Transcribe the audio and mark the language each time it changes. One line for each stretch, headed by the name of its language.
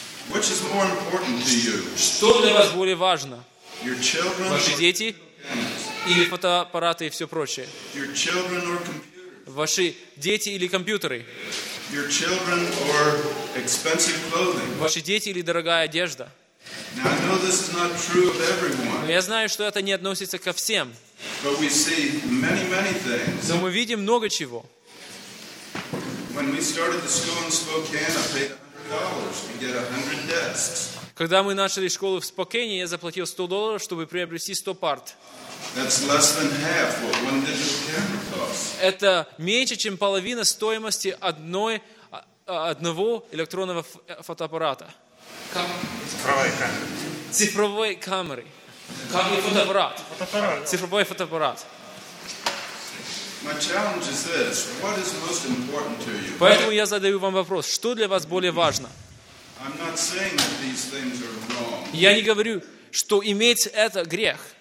English: Which is more important to you?
Russian: Что для вас более важно?
English: Your children,
Russian: ваши дети или фотоаппараты и все прочее?
English: Your children or computers.
Russian: Ваши дети или компьютеры?
English: Your children or expensive clothing.
Russian: Ваши дети или дорогая одежда?
English: Now, I know this is not true of everyone.
Russian: Но я знаю, что это не относится ко всем.
English: But we see many, many things.
Russian: Но мы видим много чего.
English: When we started the school in Spokane, I paid $100 to get 100 desks.
Russian: Когда мы начали школу в Спокане, я заплатил $100, чтобы приобрести 100 парт.
English: That's less than half what one digital camera costs.
Russian: Это меньше, чем половина стоимости одного электронного фотоаппарата. Цифровой камеры. Фотоаппарат. Цифровой фотоаппарат.
English: My challenge is this: what is most important to you?
Russian: Поэтому я задаю вам вопрос: что для вас более важно?
English: I'm not saying that these things are wrong.
Russian: Я не говорю, что иметь это грех.